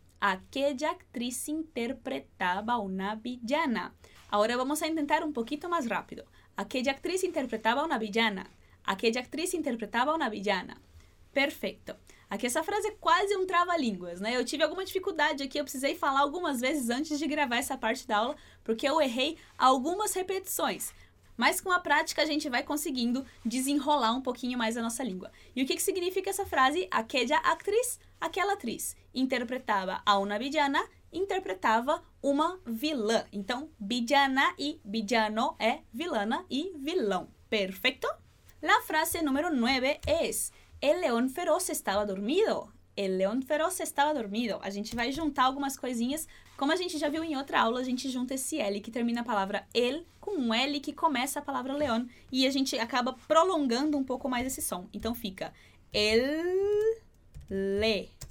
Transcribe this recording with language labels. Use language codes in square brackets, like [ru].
[es] aquella actriz interpretaba una villana. Ahora vamos a intentar un poquito más rápido. Aquella actriz interpretaba una villana. Aquella actriz interpretaba una villana. Perfecto. [pt] Aqui essa frase é quase um trava-línguas, né? Eu tive alguma dificuldade aqui, eu precisei falar algumas vezes antes de gravar essa parte da aula, porque eu errei algumas repetições. Mas com a prática a gente vai conseguindo desenrolar um pouquinho mais a nossa língua. E o que significa essa frase? [es] Aquella actriz, [pt] aquela atriz, interpretava [es] a una villana, [pt] interpretava uma vilã. Então, villana e villano é vilana e vilão. Perfeito? [es] La frase número 9 es... El león feroz estaba dormido. El león feroz estaba dormido. [pt] A gente vai juntar algumas coisinhas. Como a gente já viu em outra aula, a gente junta esse L que termina a palavra el com um L que começa a palavra león. E a gente acaba prolongando um pouco mais esse som. Então fica el león.